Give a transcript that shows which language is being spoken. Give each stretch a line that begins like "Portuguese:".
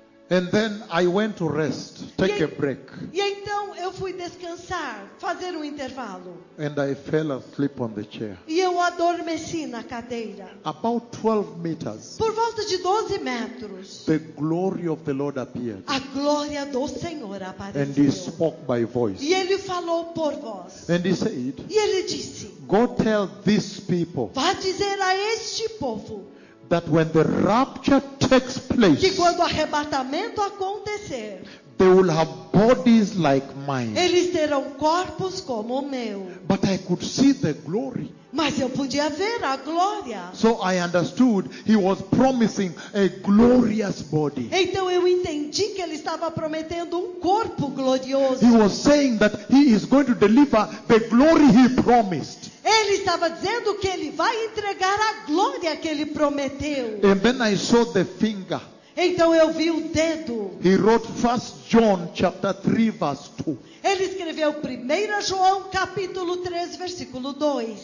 English: And then I went to rest, take a break.
Portuguese: E então eu fui descansar, fazer um intervalo.
English: And I fell asleep on the chair.
Portuguese: E eu adormeci na cadeira.
English: About 12 meters.
Portuguese: Por volta de 12 metros.
English: The glory of the Lord appeared.
Portuguese: A glória do Senhor apareceu.
English: And he spoke by voice.
Portuguese: E ele falou por voz.
English: And he said,
Portuguese: e ele disse,
English: go tell these people.
Portuguese: Vá dizer a este povo.
English: That when the rapture takes place,
Portuguese: que quando o arrebatamento acontecer,
English: they will have bodies like mine.
Portuguese: Eles terão corpos como o meu.
English: But I could see the glory.
Portuguese: Mas eu podia ver a glória.
English: So I understood he was promising a glorious body.
Portuguese: Então eu entendi que ele estava prometendo um corpo glorioso.
English: He was saying that he is going to deliver the glory he promised.
Portuguese: Ele estava dizendo que ele vai entregar a glória que ele prometeu.
English: And then I saw the finger.
Portuguese: Então eu vi o dedo.
English: He wrote 1 John chapter 3 verse 2.
Portuguese: Ele escreveu 1 João capítulo 3 versículo 2.